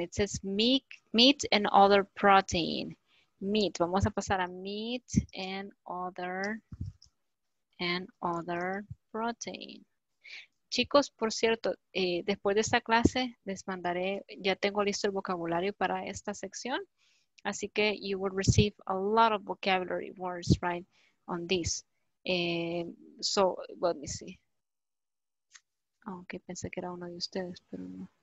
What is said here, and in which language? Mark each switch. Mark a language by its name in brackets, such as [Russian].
[English] It says meat and other protein. Meat, [Spanish] vamos a pasar a [English] meat and other protein. [Spanish] Chicos, por cierto, después de esta clase les mandaré, ya tengo listo el vocabulario para esta sección. Así que [English] you will receive a lot of vocabulary words, right, on this. So, let me see. [Spanish] Okay, pensé que era uno de ustedes, pero no.